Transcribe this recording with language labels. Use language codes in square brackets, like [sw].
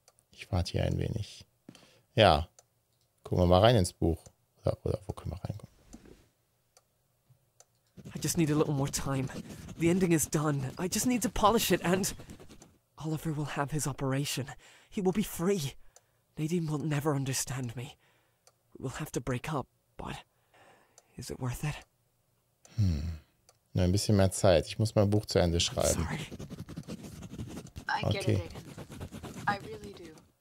[de] Ich warte hier ein wenig. Ja, gucken wir mal rein ins Buch. Oder wo können wir reinkommen? [en] I just need a little more time. The ending is done. I just need to polish it and... Oliver will have his operation. He will be free. Nadine will never understand me. We will have to break up, but... Is it worth it? [de] Nur ein bisschen mehr Zeit. Ich muss mein Buch zu Ende schreiben. [en] I get it, Aiden. I really do.